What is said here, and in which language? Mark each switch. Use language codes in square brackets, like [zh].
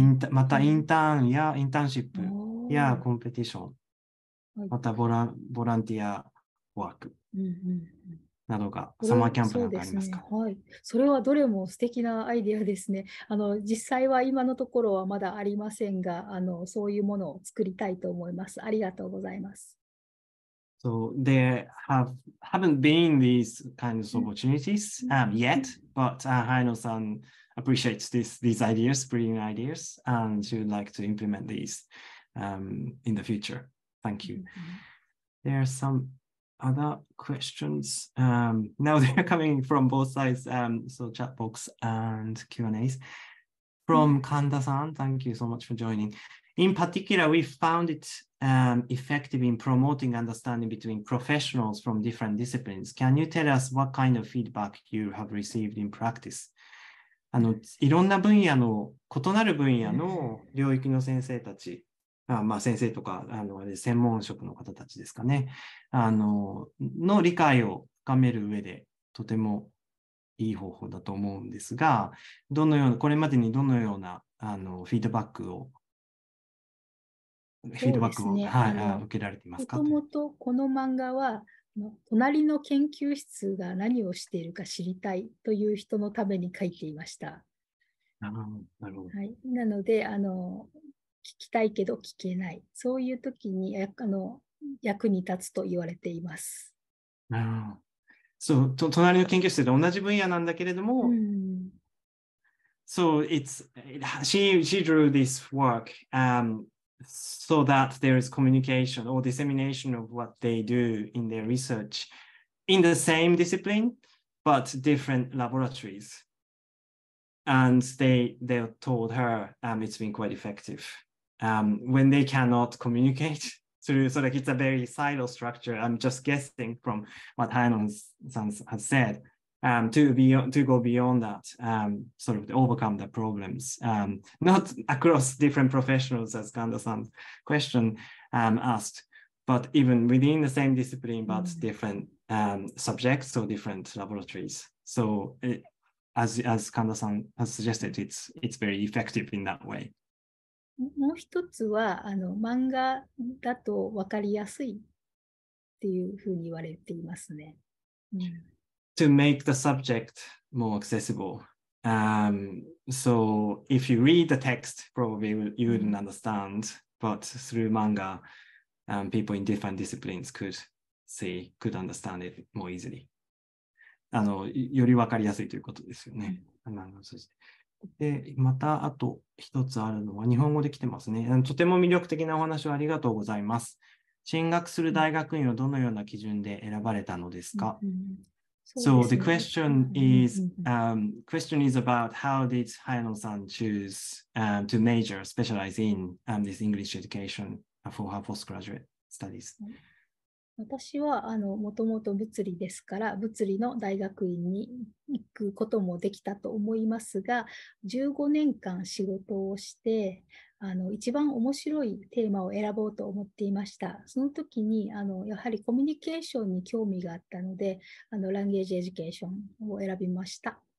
[ja] またインターンやインターンシップやコンペティション、またボランティアワークなどが、サマーキャンプなどありますか？はい。それはどれも素敵なアイデアですね。あの、実際は今のところはまだありませんが、あの、そういうものを作りたいと思います。ありがとうございます。 [en] So there haven't been these kinds of opportunities yet, but Hayano-san appreciates these ideas, brilliant ideas, and she would like to implement these in the future. Thank you. There are some other questions. Now they're coming from both sides, so chat box and Q&As. From Kanda-san, thank you so much for joining. In particular, we found it effective in promoting understanding between professionals from different disciplines. Can you tell us what kind of feedback you have received in practice? [ja] あの、いろんな分野の、異なる分野の領域の先生たち、まあ先生とか、あの、専門職の方たちですかね、あの、の理解を深める上で、とてもいい方法だと思うんですが、どのような、これまでにどのような、あの、フィードバックを、受けられていますか？もともとこの漫画は、隣の研究室が何をしているか知りたいという人のために書いていました。なるほど、はい、なのであの聞きたいけど聞けない、そういう時にあの役に立つと言われています。あ、そう、隣の研究室で同じ分野なんだけれども、うん、 [en] So she drew this work so that there is communication or dissemination of what they do in their research in the same discipline, but different laboratories. And they told her it's been quite effective. When they cannot communicate through, so like it's a very silo structure, I'm just guessing from what Hayanon-san has said, to go beyond that, sort of overcome the problems, not across different professionals as Kanda-san's question asked, but even within the same discipline, but different subjects or different laboratories. So as Kanda-san has suggested, it's very effective in that way. [ja] もう一つはあの漫画だと分かりやすいっていうふうに言われていますね。 [en] To make the subject more accessible. So if you read the text, probably you wouldn't understand, but through manga, people in different disciplines could understand it more easily. [ja] あの、より分かりやすいということですよね。で、またあと一つあるのは日本語で来てますね。とても魅力的なお話をありがとうございます。進学する大学院をどのような基準で選ばれたのですか？ [en] So the question is, question is about how did Hayano-san choose to major, specialize in this English education for her postgraduate studies? [ja] 私はもともと物理ですから物理の大学院に行くこともできたと思いますが15年間仕事をして一番面白いテーマを選ぼうと思っていましたその時にやはりコミュニケーションに興味があったのでランゲージエデュケーションを選びました